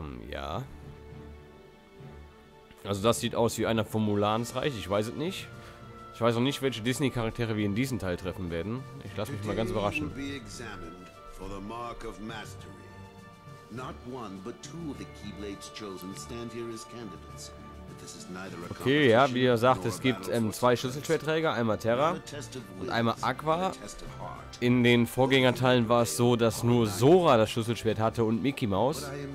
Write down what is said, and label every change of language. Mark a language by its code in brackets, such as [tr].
[de] Ja. Also das sieht aus wie einer vom Mulansreich, ich weiß es nicht. Ich weiß auch nicht, welche Disney-Charaktere wir in diesem Teil treffen werden. Ich lasse mich mal ganz überraschen. Heute wird [en] examined for the mark of mastery. Not one, but two of the Keyblades chosen stand here as candidates. [de] Okay, ja, wie er sagt, es gibt zwei Schlüsselschwertträger, einmal Terra und einmal Aqua. In den Vorgängerteilen war es so, dass nur Sora das Schlüsselschwert hatte und Mickey Maus.